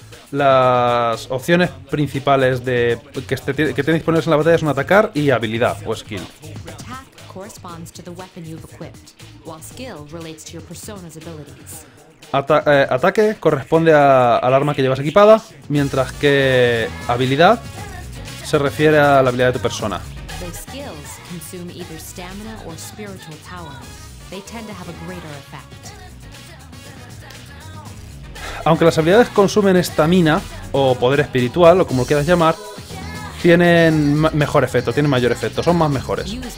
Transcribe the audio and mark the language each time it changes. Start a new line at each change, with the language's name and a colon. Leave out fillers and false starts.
Spanish: Las opciones principales de que tienes disponibles en la batalla son atacar y habilidad o skill.
English: Corresponds to the weapon you've equipped, while skill relates to your persona's abilities.
Spanish: Ataque corresponde al arma que llevas equipada, mientras que habilidad se refiere a la habilidad de tu persona.
English: The skills consume either stamina or spiritual power. They tend to have a greater effect.
Spanish: Aunque las habilidades consumen estamina o poder espiritual o como lo quieras llamar, tienen mejor efecto, tienen mayor efecto, son más mejores.